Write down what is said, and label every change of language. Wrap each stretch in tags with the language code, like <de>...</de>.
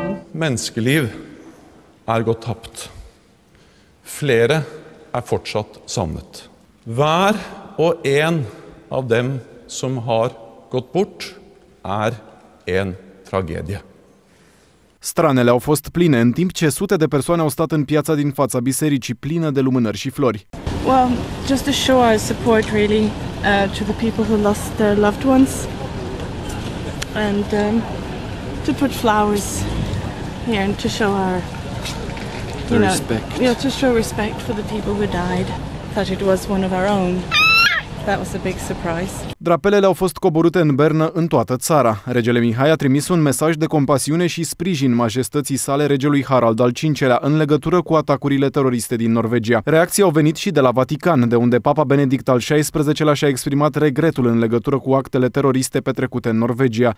<no>Menneskeliv gått tapt. Flere fortsatt savnet. Hver og en av dem som har gått bort en tragedie.</no> <ro>Stranele au fost pline, în timp ce sute de persoane au stat în piața din fața bisericii plină de lumânări și flori.</ro> <en>Well, just to show our support really to the people who lost their loved ones and to put flowers here and to show our respect. Yeah, to show respect for the people who died, that it was one of our own. That was a big surprise.</en> <ro>Drapelele au fost coborute în Bernă în toată țara. Regele Mihai a trimis un mesaj de compasiune și sprijin majestății sale regelui Harald al V-lea în legătură cu atacurile teroriste din Norvegia. Reacții au venit și de la Vatican, de unde Papa Benedict al XVI-lea și-a exprimat regretul în legătură cu actele teroriste petrecute în Norvegia.</ro>